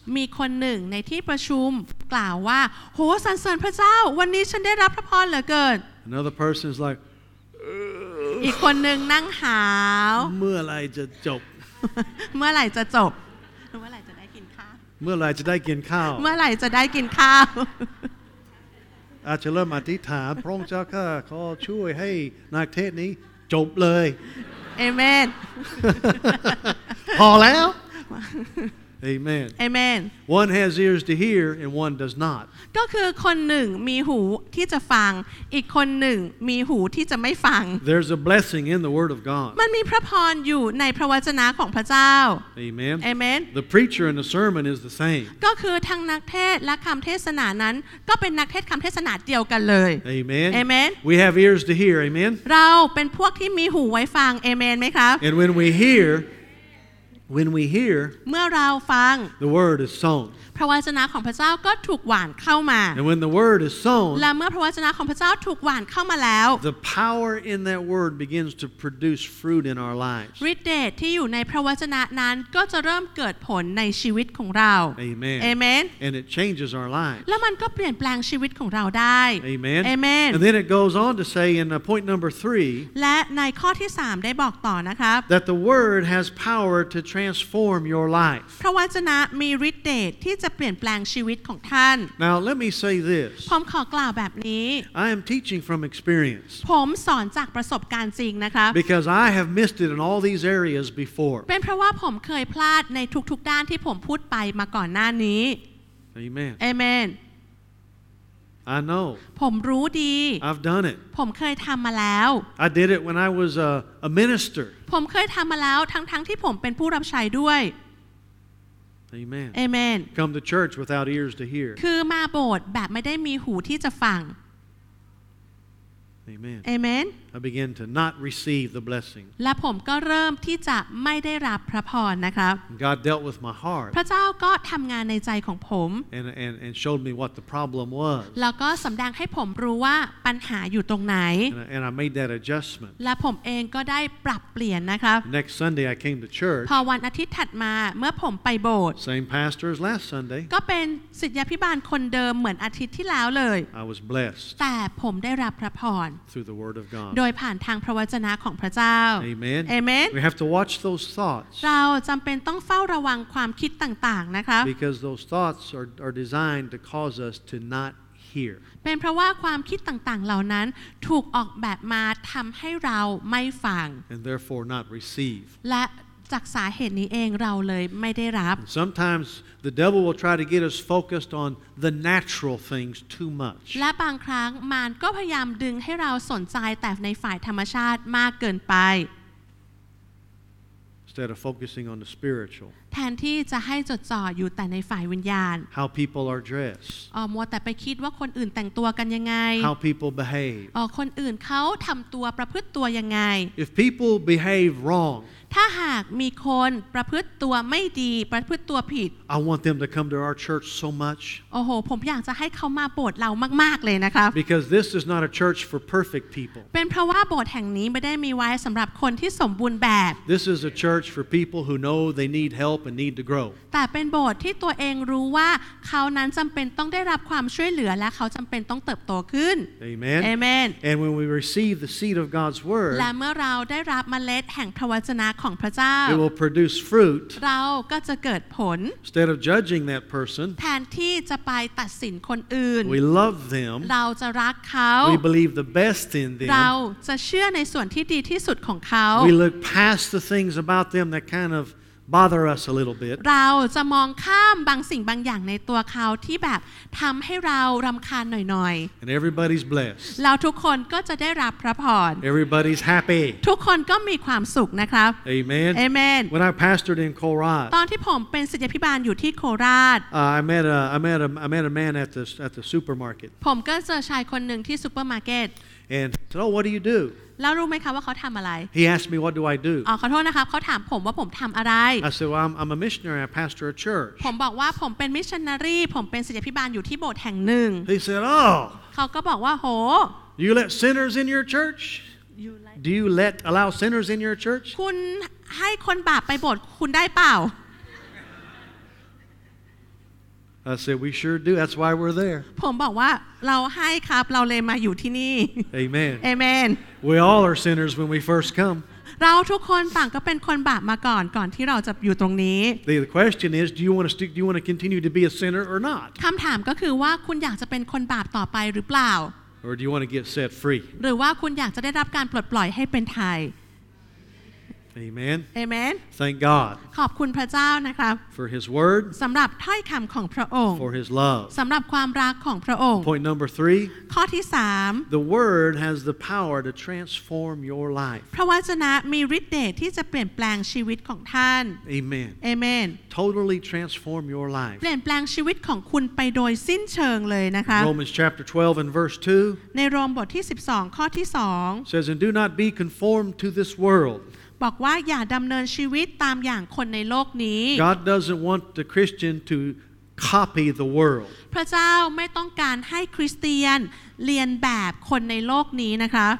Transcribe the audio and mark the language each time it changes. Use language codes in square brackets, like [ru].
[th] มีคนหนึ่งในที่ประชุมกล่าวว่าโหสรรเสริญพระเจ้าวันนี้ฉันได้รับพระพรเหลือเกิน [en] Another person is like, [th] อีกคนหนึ่งนั่งหาว เมื่อไรจะจบ เมื่อไรจะจบ เมื่อไรจะได้กินข้าว เมื่อไรจะได้กินข้าว อาจจะเริ่มอธิษฐานพระองค์เจ้าข้าขอช่วยให้นักเทศนี้จบเลย [en] Amen. [th] พอแล้ว Amen. [en] Amen. One has ears to hear and one does not. [th] ก็คือคนหนึ่งมีหูที่จะฟังอีกคนหนึ่งมีหูที่จะไม่ฟัง [en] There's a blessing in the word of God. [th] มันมีพระพรอยู่ในพระวจนะของพระเจ้า [en] Amen. Amen. The preacher and the sermon is the same. [th] ก็คือทั้งนักเทศและคำเทศนานั้นก็เป็นนักเทศคำเทศนาเดียวกันเลย [en] Amen. Amen. We have ears to hear. Amen. [th] เราเป็นพวกที่มีหูไว้ฟัง Amen ไหมครับ [en] And when we hear When we hear, [th] เมื่อเราฟัง [en] the word is sown. [th] พระวจนะของพระเจ้าก็ถูกหว่านเข้ามา [en] And when the word is sown, [th] และเมื่อพระวจนะของพระเจ้าถูกหว่านเข้ามาแล้ว [en] the power in that word begins to produce fruit in our lives. [th] ฤทธิ์เดชที่อยู่ในพระวจนะนั้นก็จะเริ่มเกิดผลในชีวิตของเรา [en] Amen. Amen. And it changes our lives. [th] และมันก็เปลี่ยนแปลงชีวิตของเราได้ [en] Amen. Amen. And then it goes on to say in point number 3, [th] และในข้อที่3ได้บอกต่อนะครับ [en] that the word has power to transform your life. [th] พระวจนะมีฤทธิ์เดชที่จะเปลี่ยนแปลงชีวิตของท่าน [en] Now let me say this. [th] ผมขอกล่าวแบบนี้ [en] I am teaching from experience. [th] ผมสอนจากประสบการณ์จริงนะครับ [en] Because I have missed it in all these areas before. [th] เป็นเพราะว่าผมเคยพลาดในทุกๆด้านที่ผมพูดไปมาก่อนหน้านี้ [en] Amen. Amen. I know. [th] ผมรู้ดี [en] I've done it. [th] ผมเคยทำมาแล้ว [en] I did it when I was a minister. [th] ผมเคยทำมาแล้วทั้งที่ผมเป็นผู้รับใช้ด้วย [en] Amen. Amen. Come to church without ears to hear. [th] คือมาโบสถ์แบบไม่ได้มีหูที่จะฟัง [en] Amen. Amen. I begin to not receive the blessing. [th] และผมก็เริ่มที่จะไม่ได้รับพระพรนะครับ [en] God dealt with my heart. [th] พระเจ้าก็ทำงานในใจของผม [en] And showed me what the problem was. [th] แล้วก็สำแดงให้ผมรู้ว่าปัญหาอยู่ตรงไหน [en] And I made that adjustment. [th] และผมเองก็ได้ปรับเปลี่ยนนะครับ [en] Next Sunday I came to church. [th] พอวันอาทิตย์ถัดมาเมื่อผมไปโบสถ์ [en] Same pastor as last Sunday. [th] ก็เป็นศิษยาภิบาลคนเดิมเหมือนอาทิตย์ที่แล้วเลย [en] I was blessed. [th] แต่ผมได้รับพระพร [en] Through the word of God. [th] โดยผ่านทางพระวจนะของพระเจ้า [en] Amen. Amen. We have to watch those thoughts. [th] เราจำเป็นต้องเฝ้าระวังความคิดต่างๆนะครับ [en] Because those thoughts are designed to cause us to not hear. [th] เป็นเพราะว่าความคิดต่างๆเหล่านั้นถูกออกแบบมาทำให้เราไม่ฟัง [en] And therefore not receive. [th] และจากสาเหตุนี้เองเราเลยไม่ได้รับ [en] Sometimes the devil will try to get us focused on the natural things too much. [th] และบางครั้งมารก็พยายามดึงให้เราสนใจแต่ในฝ่ายธรรมชาติมากเกินไป [en] instead of focusing on the spiritual. [th] แทนที่จะให้จดจ่ออยู่แต่ในฝ่ายวิญญาณ [en] How people are dressed. [th] มัวแต่ไปคิดว่าคนอื่นแต่งตัวกันยังไง [en] How people behave. [th] คนอื่นเขาทำตัวประพฤติตัวยังไง [en] If people behave wrong. [th] ถ้าหากมีคนประพฤติตัวไม่ดีประพฤติตัวผิด [en] I want them to come to our church so much [th] โอ้โหผมอยากจะให้เขามาโบสถ์เรามากๆเลยนะครับ [en] Because this is not a church for perfect people [th] เป็นเพราะว่าโบสถ์แห่งนี้ไม่ได้มีไว้สำหรับคนที่สมบูรณ์แบบ [en] This is a church for people who know they need help and need to grow [th] แต่เป็นโบสถ์ที่ตัวเองรู้ว่าเขานั้นจำเป็นต้องได้รับความช่วยเหลือและเขาจำเป็นต้องเติบโตขึ้น [en] Amen Amen And when we receive the seed of God's word [th] และเมื่อเราได้รับเมล็ดแห่งพระวจนะของพระเจ้า [en] It will produce fruit [th] เราก็จะเกิดผล [en] Instead of judging that person [th] แทนที่จะไปตัดสินคนอื่น [en] We love them [th] เราจะรักเขา [en] We believe the best in them [th] เราจะเชื่อในส่วนที่ดีที่สุดของเขา [en] We look past the things about them that kind of bother us a little bit [th] เราจะมองข้ามบางสิ่งบางอย่างในตัวเขาที่แบบทำให้เรารำคาญหน่อย [en] ๆ And everybody's blessed [th] เราทุกคนก็จะได้รับพระพร [en] Everybody's happy [th] ทุกคนก็มีความสุขนะครับ [en] Amen Amen When I pastored in Korat [th] ตอนที่ผมเป็นศิษยาภิบาลอยู่ที่โคราช [en] I met a man at the supermarket [th] ผมก็เจอชายคนหนึ่งที่ซูเปอร์มาร์เก็ต [en] And so oh, what do you do [th] แล้วรู้ไหมคะว่าเขาทำอะไร [en] He asked me what do I do [th] อ๋อขอโทษนะครับเขาถามผมว่าผมทำอะไร [en] I said well, I'm a missionary I pastor a church [th] ผมบอกว่าผมเป็นมิชชันนารีผมเป็นศิษยาภิบาลอยู่ที่โบสถ์แห่งหนึ่ง [en] He said oh [th] เขาก็บอกว่าโห [en] You let sinners in your church Do you let allow sinners in your church [th] คุณให้คนบาปไปโบสถ์คุณได้เปล่า [en] I said we sure do that's why we're there [th] ผมบอกว่าเราให้ครับเราเลยมาอยู่ที่นี่ [en] Amen Amen We all are sinners when we first come [th] เราทุกคนต่างก็เป็นคนบาปมาก่อนที่เราจะอยู่ตรงนี้ [en] The question is do you want to continue to be a sinner or not [th] คำถามก็คือว่าคุณอยากจะเป็นคนบาปต่อไปหรือเปล่า [en] Or do you want to get set free [th] หรือว่าคุณอยากจะได้รับการปลดปล่อยให้เป็นไทย [en] Amen. Amen. Thank God. [th] ขอบคุณพระเจ้านะครับ [en] For His word. [th] สำหรับถ้อยคำของพระองค์ [en] For His love. [th] สำหรับความรักของพระองค์ [en] Point number three. [th] ข้อที่สาม [en] The word has the power to transform your life. [th] พระวจนะมีฤทธิ์เดชที่จะเปลี่ยนแปลงชีวิตของท่าน [en] Amen. Amen. Totally transform your life. [th] เปลี่ยนแปลงชีวิตของคุณไปโดยสิ้นเชิงเลยนะคะ [en] Romans chapter 12 and verse 2. [th] ในโรมบทที่12ข้อที่2 [en] says and do not be conformed to this world. [th] บอกว่าอย่าดำเนินชีวิตตามอย่างคนในโลกนี้ [en] God doesn't want the Christian to copy the world [th] พระเจ้าไม่ต้องการให้คริสเตียนเรียนแบบคนในโลกนี้นะคะ